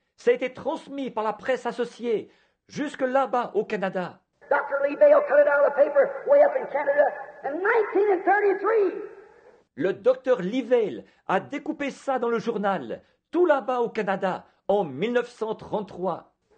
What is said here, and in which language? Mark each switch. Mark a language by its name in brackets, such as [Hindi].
[French] Ça a été transmis par la presse associée jusque là-bas au Canada. [English] Dr. Lee Bale cut it out of the paper way up in Canada in 1933. [French] Le Dr. Lee Bale a découpé ça dans le journal tout là-bas au Canada en 1933.